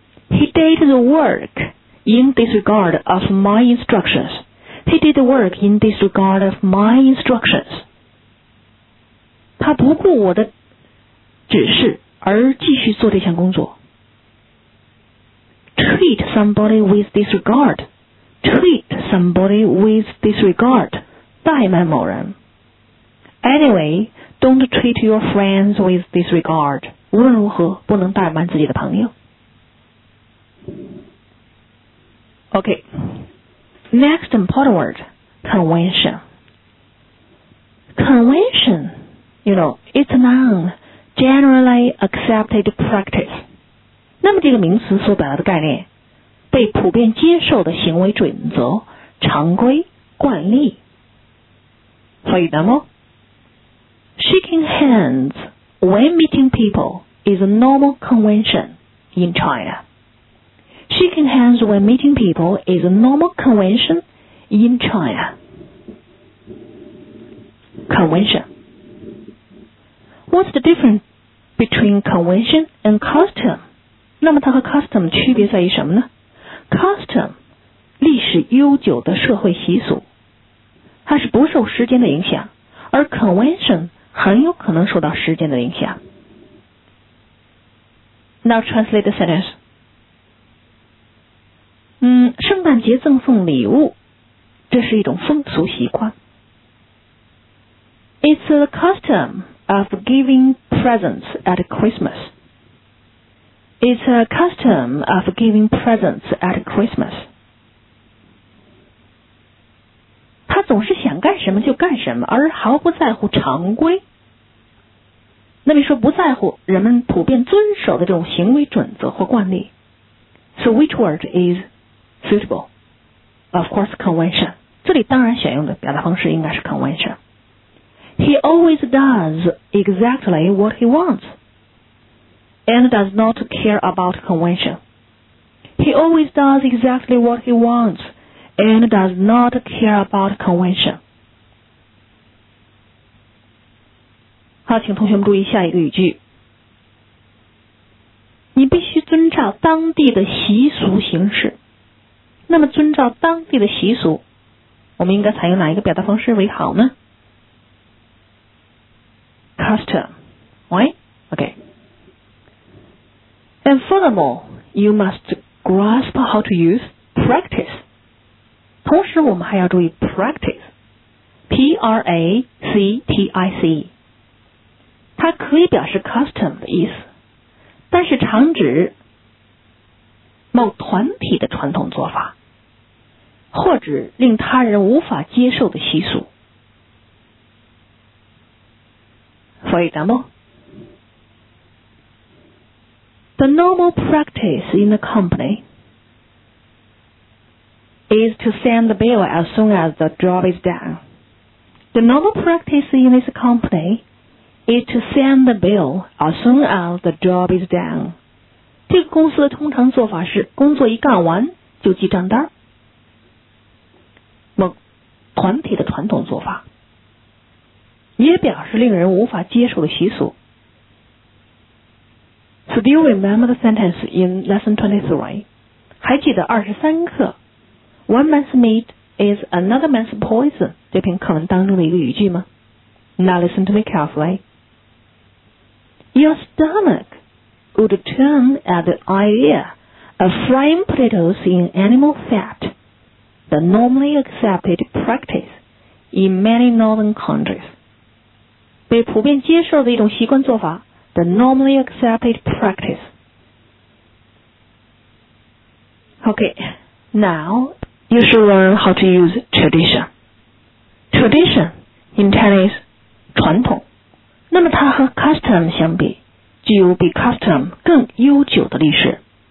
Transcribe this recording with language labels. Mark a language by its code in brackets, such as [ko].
[en] He did the work in disregard of my instructions. He did the work in disregard of my instructions. [zh] 他不顾我的指示而继续做这项工作。 [en] Treat somebody with disregard. Treat somebody with disregard. [zh] 怠慢某人。 [en] Anyway, don't treat your friends with disregard. [zh] 无论如何，不能怠慢自己的朋友。 [en] Okay. Next important word, convention. Convention, you know, it's a noun, generally accepted practice. [zh] 那么这个名词所表达的概念，被普遍接受的行为准则、常规、惯例。 [en] For example, shaking hands when meeting people is a normal convention in China. Shaking hands when meeting people is a normal convention in China. Convention. What's the difference between convention and custom? [zh] 那么它和 custom 区别在于什么呢？custom 历史悠久的社会习俗，它是不受时间的影响，而 convention 很有可能受到时间的影响。 [en] Now translate the sentence. [zh] 圣诞节赠送礼物，这是一种风俗习惯。 [en] It's a custom of giving presents at Christmas. It's a custom of giving presents at Christmas. [zh] 他总是想干什么就干什么，而毫不在乎常规。那么说不在乎人们普遍遵守的这种行为准则或惯例。 [en] So which word is suitable? Of course, convention. [zh] 这里当然选用的表达方式应该是 convention。 [en] He always does exactly what he wants and does not care about convention. He always does exactly what he wants and does not care about convention. [zh] 好，请同学们注意下一个语句。你必须遵照当地的习俗行事。那么遵照当地的习俗，我们应该采用哪一个表达方式为好呢？ [en] Custom, right? Okay. And furthermore, you must grasp how to use practice. [zh] 同时我们还要注意 practice. [en] P-R-A-C-T-I-C. [zh] 它可以表示 custom 的意思，但是常指某团体的传统做法，或指令他人无法接受的习俗。 [en] For example, the normal practice in the company is to send the bill as soon as the job is done. The normal practice in this company is to send the bill as soon as the job is done. [zh] 这个公司的通常做法是工作一干完就记账单。某团体的传统做法。也表示令人无法接受的习俗。 [en] So do you remember the sentence in lesson 23? [zh] 还记得23课 [en] One man's meat is another man's poison [zh] 这篇课文当中的一个语句吗？ [en] Now listen to me carefully. Your stomach would turn at the idea of frying potatoes in animal fat, the normally accepted practice in many northern countries. [zh] 被普遍接受的一种习惯做法 [en] The normally accepted practice. Okay, now you should learn how to use tradition. Tradition in tennis, [zh] 传统。那么它和 custom 相比具有比 custom 更悠久的历史。